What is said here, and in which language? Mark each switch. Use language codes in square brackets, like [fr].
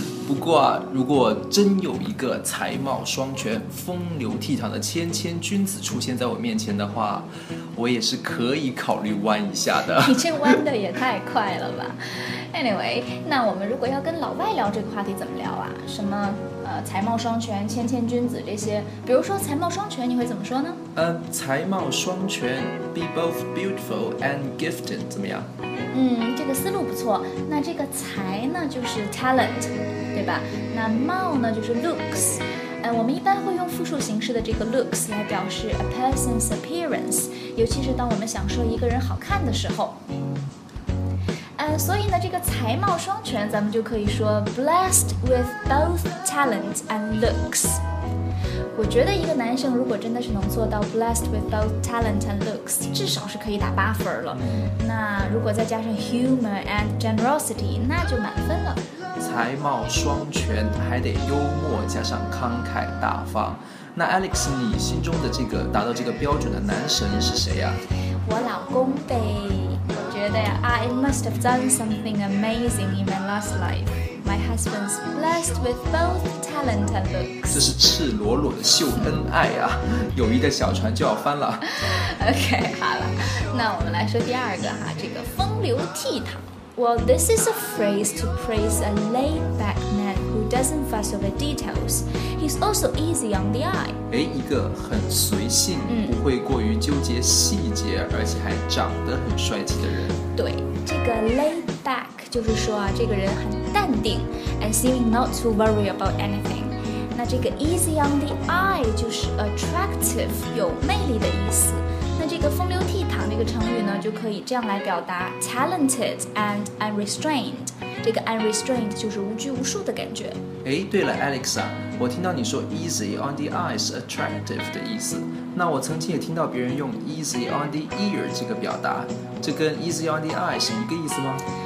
[zh] 不过啊，如果真有一个才貌双全、风流倜傥的谦谦君子出现在我面前的话，我也是可以考虑弯一下的。你这弯的也太快了吧。 Anyway， 那我们如果要跟老外聊这个话题怎么聊啊？什么才貌双全、谦谦君子这些，比如说才貌双全你会怎么说呢？才貌双全 be both beautiful and gifted 怎么样？这个思路不错。那这个才呢就是 talent 对吧，那貌呢就是 looks。我们一般会用复数形式的这个 looks 来表示 a person's appearance，尤其是当我们想说一个人好看的时候。所以呢这个才貌双全咱们就可以说 blessed with both talent and looks。我觉得一个男生如果真的是能做到 blessed with both talent and looks，至少是可以打八分了。那如果再加上 humor and generosity，那就满分了。才貌双全还得幽默加上慷慨大方。那 Alex， 你心中的这个达到这个标准的男神是谁呀？我老公呗。 [en] I must have done something amazing in my last life. My husband's blessed with both talent and looks. [zh] 这是赤裸裸的秀恩爱啊，友谊的小船就要翻了。 OK， 好了，那我们来说第二个哈，这个风流倜傥。 [en] Well, this is a phrase to praise a laid-back man who doesn't fuss over details. He's also easy on the eye. [zh] 一个很随性，不会过于纠结细节，而且还长得很帅气的人。对，这个 laid-back 就是说这个人很淡定 and seeming not to worry about anything. 那这个 easy on the eye 就是 attractive， 有魅力的意思。那这个风流倜傥这个成语呢就可以这样来表达 talented and unrestrained。这个 unrestrained 就是无拘无束的感觉。对了 Alex 啊，我听到你说 easy on the eye 是 attractive 的意思，那我曾经也听到别人用 easy on the ear 这个表达，这跟 easy on the eye 是一个意思吗？